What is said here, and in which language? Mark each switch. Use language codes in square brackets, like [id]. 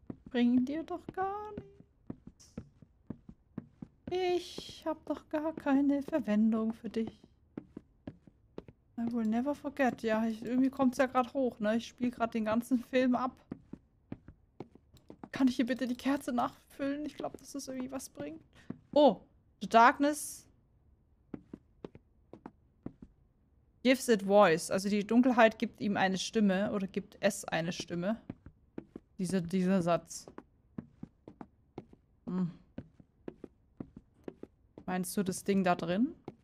[de] Bring dir doch gar nichts. Ich hab doch gar keine Verwendung für dich. [en] I will never forget. [de] Ja, irgendwie kommt's ja gerade hoch, ne? Ich spiel gerade den ganzen Film ab. Kann ich hier bitte die Kerze nachfüllen? Ich glaube, dass das irgendwie was bringt. [en] Oh, the darkness gives it voice. [de] Also die Dunkelheit gibt ihm eine Stimme oder gibt es eine Stimme. Dieser Satz. Hm. Meinst du das Ding da drin?